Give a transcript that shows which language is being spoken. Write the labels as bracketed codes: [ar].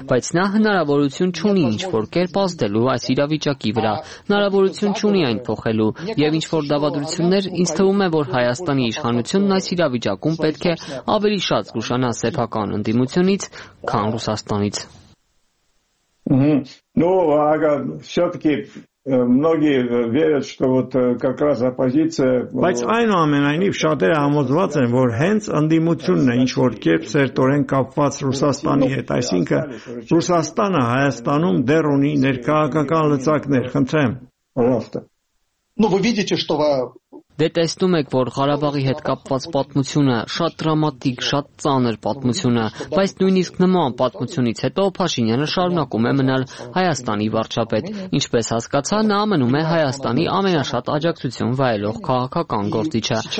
[hy] բայց նա հնարավորություն չունի ինչ-որ կերպ ազդելու այս իրավիճակի վրա, հնարավորություն չունի այն փոխելու, եւ ինչ-որ դավադրություններ, ինձ թվում է, որ Հայաստանի իշխանությունն այս իրավիճակում պետք է ավելի շատ զգուշանա սեփական ընդդիմությունից, քան Ռուսաստանից։ [ru] Ну, ага, всё-таки многие верят, что вот как раз оппозиция. [hy] Բայց այն ու ամենայնիվ շատերը համոզված են, որ հենց ընդդիմությունն է, ինչ որ կերպ սերտորեն կապված Ռուսաստանի հետ, այսինքն Ռուսաստանը Հայաստանում դեռ ունի ներքաղաքական լծակներ, խնդրեմ։ [ru] Ну, вы видите, что [hy] Դե տեսնում եք, որ Ղարաբաղի հետ կապված պատմությունը շատ դրամատիկ, շատ ծանր պատմություն է, բայց նույնիսկ նման պատմությունից հետո Փաշինյանը շարունակում է մնալ Հայաստանի վարչապետ, ինչպես հասկացա, նա մնում է Հայաստանի ամենաշատ աջակցություն վայելող քաղաքական գործիչը։